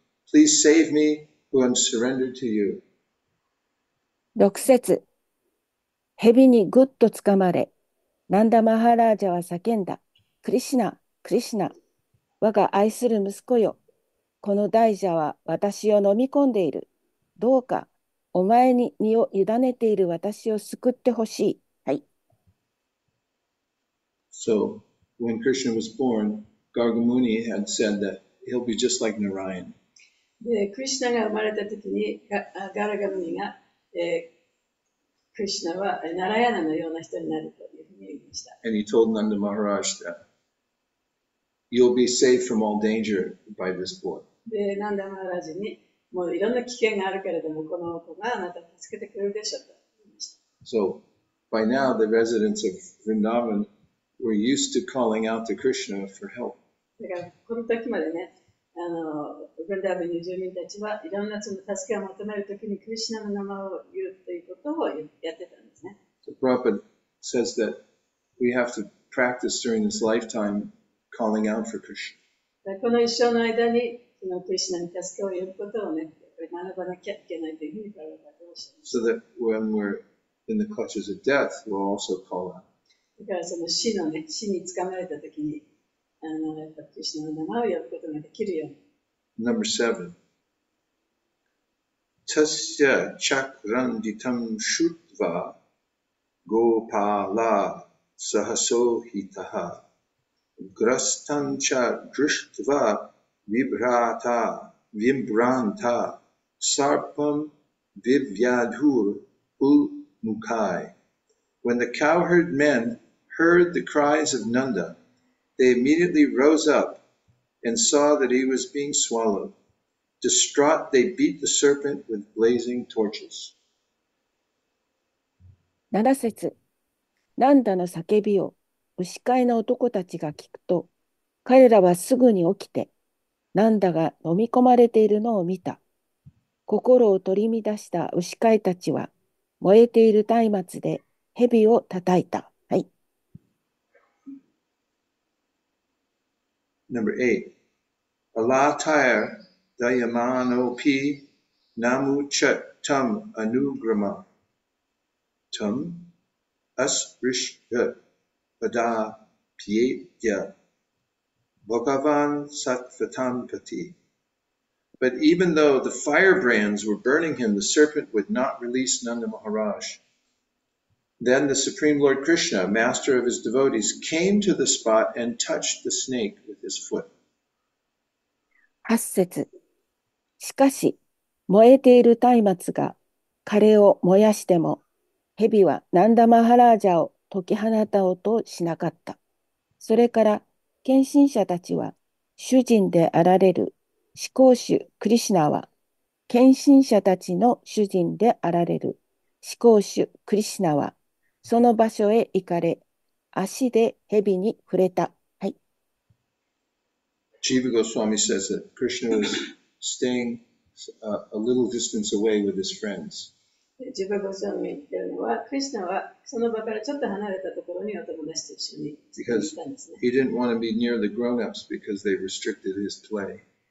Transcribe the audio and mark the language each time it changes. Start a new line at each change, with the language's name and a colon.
English: Please save me, who am surrendered to you.
Japanese: 6節。蛇にぐっとつかまれ、ナンダマハラージャは叫んだ。クリシナ、クリシナ、我が愛する息子よ。この大蛇は私を飲み込んでいる。どうか、お前に身を委ねている私を救ってほしい。
English: So, when Krishna was born, Garga Muni had said that he'll be just like Narayan.
Japanese: で、クリシナが生まれた時に、ガラガムニが、クリシナはナラヤナのような人になるというふうに言いました。
English: And he told Nanda Maharaj that you'll be saved from all danger by this boy.
Japanese: で、ナンダマハラジに、もういろんな危険があるけれども、この子があなたを助けてくれるでしょうと言いました。
English: So, by now the residents of Vrindavan were used to calling out to Krishna for help.
Japanese: だから、この時までね、ブンダーブの住民たちはいろんなその助けを求めるときにクリシナの名前を言うということをやってたんですね。
English: So, Prabhupada says that we have to practice during this lifetime calling out for Krishna.
Japanese: この一生の間にそのクリシナに助けを呼ぶことをね、学ばなきゃいけないというふうに考えたとおっしゃいます。
English: So that when we're in the clutches of death, we'll also call out.
Japanese: だからその死のね、死につかまれたときに、
English: Number seven.
Sanskrit: Tasya chakranditam shutva gopala sahasohitaha grastancha drishtva vibrata vibranta sarpam vivyadhur ulmukai.
English: When the cowherd men heard the cries of Nanda,They immediately rose up and saw that he was being swallowed. Distraught, they beat the serpent with blazing torches.
Japanese: 7節。ナンダの叫びを牛飼いの男たちが聞くと、彼らはすぐに起きて、ナンダが飲み込まれているのを見た。心を取り乱した牛飼いたちは、燃えている松明で蛇を叩いた。
English: Number eight,
Sanskrit: Alataya Dayamanopi Namuchatam Anugrama Tum Asrishya Pada Pietya Bhagavan Satvatam Pati.
English: But even though the firebrands were burning him, the serpent would not release Nanda Maharaj. Then the Supreme Lord Krishna, master of his devotees, came to the spot and touched the snake.
Japanese: 八節。しかし、燃えている松明が彼を燃やしても、蛇はナンダマハラージャを解き放たおうとしなかった。それから、献身者たちは、主人であられる至高主クリシナは、献身者たちの主人であられる至高主クリシナは、その場所へ行かれ、足で蛇に触れた。
English: Jiva Goswami says that Krishna was staying a little distance away with his friends. Jiva Goswami says that Krishna was a little distance away with his friends. Because he didn't want to be near the grown-ups because they restricted his play.